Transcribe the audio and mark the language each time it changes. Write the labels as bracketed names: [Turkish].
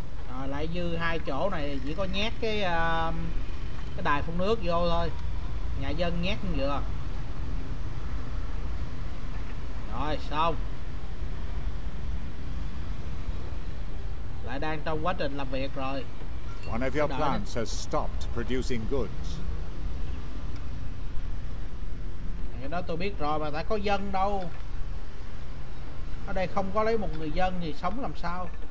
[Vietnamese] Rồi lại dư hai chỗ này chỉ có nhét cái đài phun nước vô thôi, nhà dân nhét như vừa rồi xong. Lại đang trong quá trình làm việc rồi. [English] One of your plants has stopped producing goods. [Vietnamese] Cái đó tôi biết rồi mà tại có dân đâu, ở đây không có lấy một người dân thì sống làm sao.